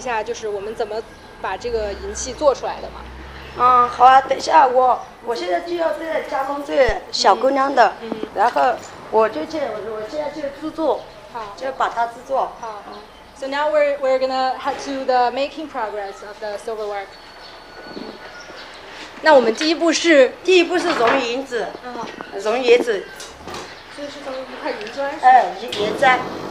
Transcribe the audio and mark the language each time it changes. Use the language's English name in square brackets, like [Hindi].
[Chinese] 所以杨大姐，您可以给我们展示一下，就是我们怎么把这个银器做出来的吗？好啊，等一下，我现在就要在加工这小姑娘的，然后我就去制作，就把它制作。好。 [English] So now we're gonna head to the making progress of the silverware. [Chinese] 那我们第一步是融银子。融椰子。这是从一块银砖。哎，银砖。